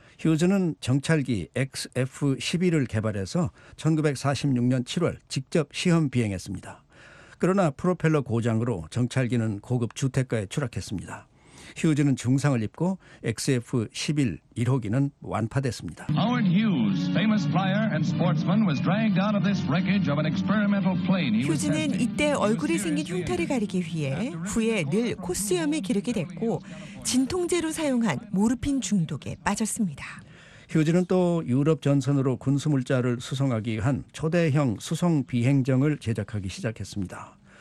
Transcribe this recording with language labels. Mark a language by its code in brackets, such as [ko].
[ko] 휴즈는 정찰기 XF-11을 개발해서 1946년 7월 직접 시험 비행했습니다. 그러나 프로펠러 고장으로 정찰기는 고급 주택가에 추락했습니다. 휴즈는 중상을 입고 XF-11 1호기는 완파됐습니다. [en] Howard Hughes, famous flyer and sportsman, was dragged out of this wreckage of an experimental plane. [ko] 휴즈는 이때 얼굴에 생긴 흉터를 가리기 위해 후에 늘 코수염을 기르게 됐고 진통제로 사용한 모르핀 중독에 빠졌습니다. 휴즈는 또 유럽 전선으로 군수물자를 수송하기 위한 초대형 수송 비행정을 제작하기 시작했습니다.